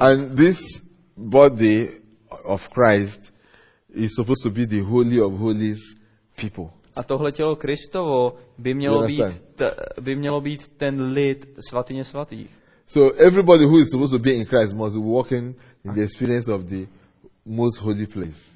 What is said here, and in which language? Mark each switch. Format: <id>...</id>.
<en>And this body of Christ is supposed to be the holy of holies people.</en> <cs>A tohle tělo Kristovo by mělo být ten lid svatyně svatých.</cs> <en>So everybody who is supposed to be in Christ must walk in the experience of the most holy place.</en>